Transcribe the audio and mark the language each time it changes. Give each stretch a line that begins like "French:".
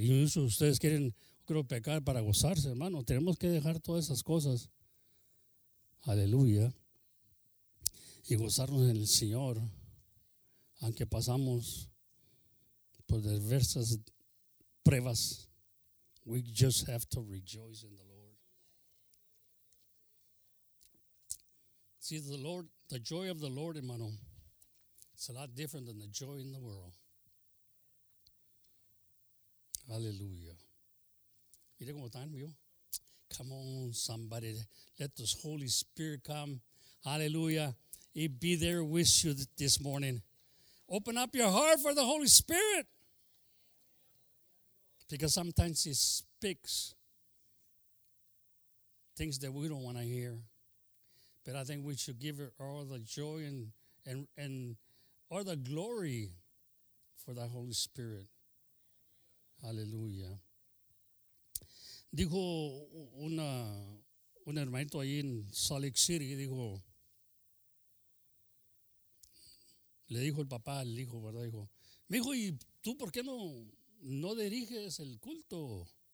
Spanish: Y eso ustedes quieren, creo, pecar para gozarse, hermano. Tenemos que dejar todas esas cosas. Aleluya. Y gozarnos en el Señor, aunque pasamos por diversas pruebas.
English: We just have to rejoice in the Lord. See, the Lord, the joy of the Lord, hermano, it's a lot different than the joy in the world. Hallelujah.
Spanish: Mire cómo están, vio.
English: Come on, somebody. Let the Holy Spirit come. Hallelujah. He be there with you this morning. Open up your heart for the Holy Spirit. Because sometimes He speaks things that we don't want to hear. But I think we should give it all the joy and all the glory for the Holy Spirit. Hallelujah.
Spanish: Dijo un hermanito ahí en Salt Lake City, le dijo el papá al hijo, ¿verdad? Dijo, mi hijo, ¿y tú por qué no diriges el culto?